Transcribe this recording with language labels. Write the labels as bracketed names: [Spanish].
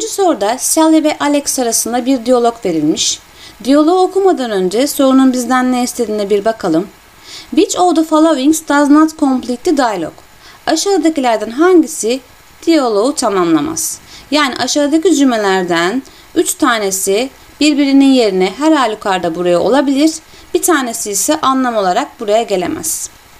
[Turkish] soruda Sally ve Alex arasında bir diyalog verilmiş. Diyaloğu okumadan önce sorunun bizden ne istediğine bir bakalım. [English] Which of the following does not complete the dialogue? [Turkish] Aşağıdakilerden hangisi diyaloğu tamamlamaz? Yani aşağıdaki cümlelerden 3 tanesi birbirinin yerine her halükarda buraya olabilir, bir tanesi ise anlam olarak buraya gelemez.